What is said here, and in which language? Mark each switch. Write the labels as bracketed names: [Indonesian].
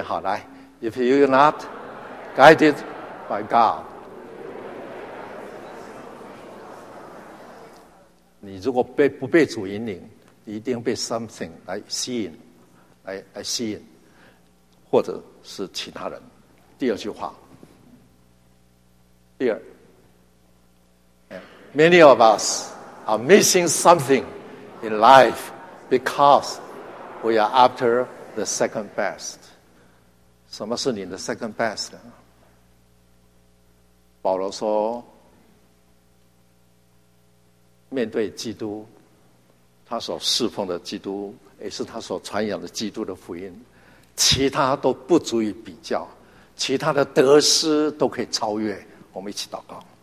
[Chinese] 好，来 ， [English] If you are not guided by God， [Chinese] 你如果不被主引领，你一定被 something 来吸引，来吸引，或者是其他人。第二句话，第二 [English] ，Many of us are missing something in life because。 We are after the second best. [Chinese] 什么是你的 second best 呢？保罗说，面对基督，他所侍奉的基督，也是他所传扬的基督的福音，其他都不足以比较，其他的得失都可以超越。我们一起祷告。